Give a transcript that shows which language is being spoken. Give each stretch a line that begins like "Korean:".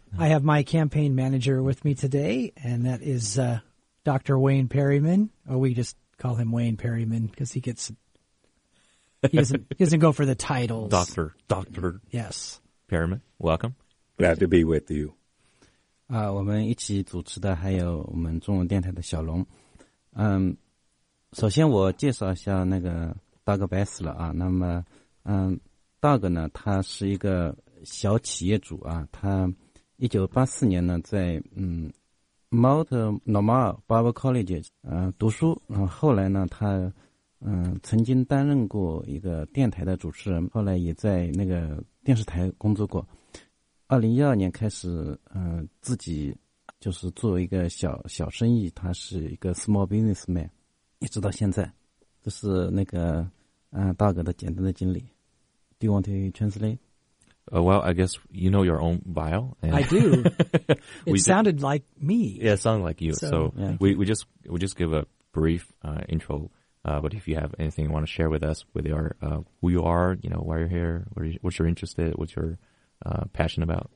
English: I have my campaign manager with me today, and that is Dr. Wayne Perryman. Oh, we just call him Wayne Perryman because he doesn't go for the titles. Doctor. Yes. Perryman, welcome. Glad to be with you.
Chinese: 我们一起主持的还有我们中文电台的小龙。首先我介绍一下那个 Doug Bessler 啊。那么Doug 呢，他是一个小企业主啊。他1984年呢在Mount Normal Bible College 读书，然后后来呢他曾经担任过一个电台的主持人，后来也在那个电视台工作过。 2012年开始自己就是做一个小生意，他是一个
English: small businessman，
Chinese: 一直到现在。这是那个大哥的简单的经历。
English: Do you want to translate? Well, I guess you know your own bio. And I do. It sounded like me. Yeah, it sounded like you. So we just give a brief intro. But if you have anything you want to share with us, with your, who you are, you know, why you're here, what you're interested, what you're passionate about.